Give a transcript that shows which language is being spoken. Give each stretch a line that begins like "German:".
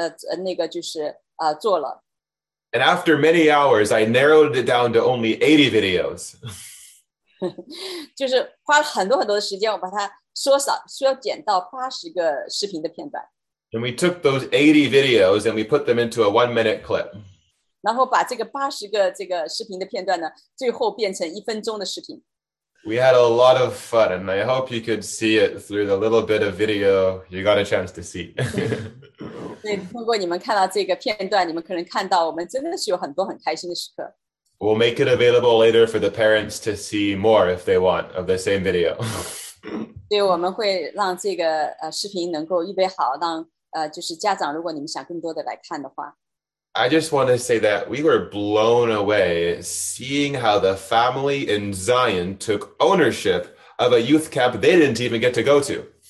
Chinese: 是，这是非常不容易的，因为我们在这个营会当中，我们其实有300多个视频来，做了。
English: And after many hours, I narrowed it down to only 80 videos.
Chinese: 就是花了很多很多的时间，我把它缩减到80个视频的片段。
English: And we took those 80 videos and we put them into a 1 minute clip.
Chinese: 然后把这个80个这个视频的片段呢，最后变成一分钟的视频。
English: We had a lot of fun, and I hope you could see it through the little bit of video you got a chance to see.
Chinese: 对，通过你们看到这个片段，你们可能看到我们真的是有很多很开心的时刻。
English: We'll make it available later for the parents to see more if they want of the same video.
Chinese: 对，我们会让这个视频能够预备好，让就是家长，如果你们想更多的来看的话。
English: I just want to say that we were blown away seeing how the family in Zion took ownership of a youth camp they didn't even get to go to.